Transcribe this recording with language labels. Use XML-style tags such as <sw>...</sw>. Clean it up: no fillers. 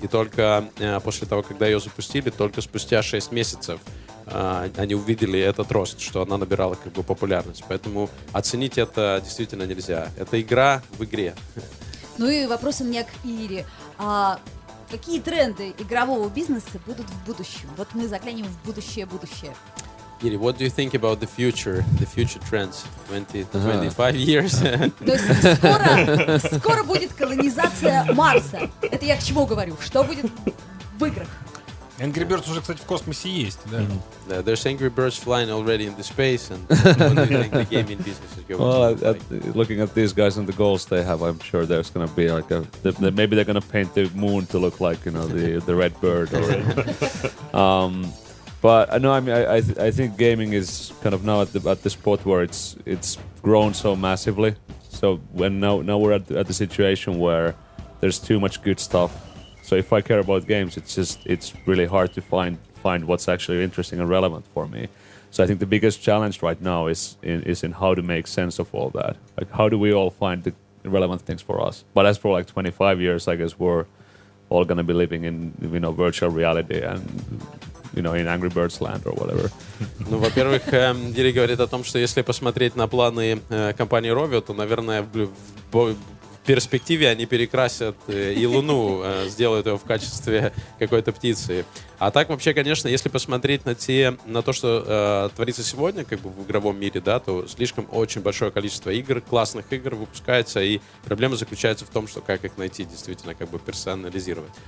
<ru>И только после того, когда ее запустили, только спустя 6 месяцев, они увидели этот рост, что она набирала как бы популярность. Поэтому оценить это действительно нельзя. Это игра в игре. Ну и вопрос у меня к Ире. Какие тренды игрового бизнеса будут в будущем? Вот мы заглянем в будущее.</ru> <en>Ири, what do you think about the future trends 20-25 years?</en> <ru>То есть скоро будет колонизация Марса. Это я к чему говорю? Что будет в играх? Angry Birds уже, кстати, в космосе есть, да. Mm-hmm.</ru> <en>Yeah, there's Angry Birds flying already in the space, and what do you think the gaming business is going to be like? Looking at these guys and the goals they have, I'm sure there's going to be like maybe they're going to paint the moon to look like, you know, the red bird or. But no, I mean, I think gaming is kind of now at the spot where it's grown so massively. So So when now we're at the situation where there's too much good stuff. So if I care about games, it's really hard to find what's actually interesting and relevant for me. So I think the biggest challenge right now is in how to make sense of all that. Like, how do we all find the relevant things for us? But as for like 25 years, I guess we're all going to be living in, you know, virtual reality and, you know, in Angry Birds land or whatever.</en> <ru>Ну, во-первых, Дири говорит о том, что если посмотреть на планы компании Rovio, то, наверное, в перспективе они перекрасят и Луну, сделают ее в качестве какой-то птицы. А так вообще, конечно, если посмотреть на то, что творится сегодня, как бы в игровом мире, да, то слишком очень большое количество игр, классных игр выпускается, и проблема заключается в том, что как их найти, действительно, как бы персонализировать.</ru>